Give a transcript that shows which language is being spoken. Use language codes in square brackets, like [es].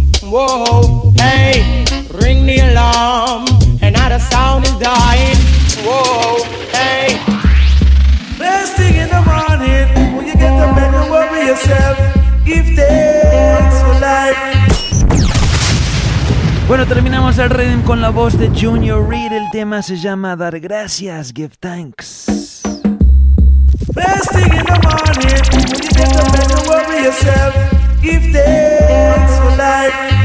[en] Whoa, hey, ring the alarm, another sound is dying. Whoa, hey. First thing in the morning, when you get up and you worry yourself, give thanks for life. [es] Bueno, terminamos el Rhythm con la voz de Junior Reed. El tema se llama Dar Gracias, Give Thanks. [en] First thing in the morning, when you get up and you worry yourself, give thanks for life.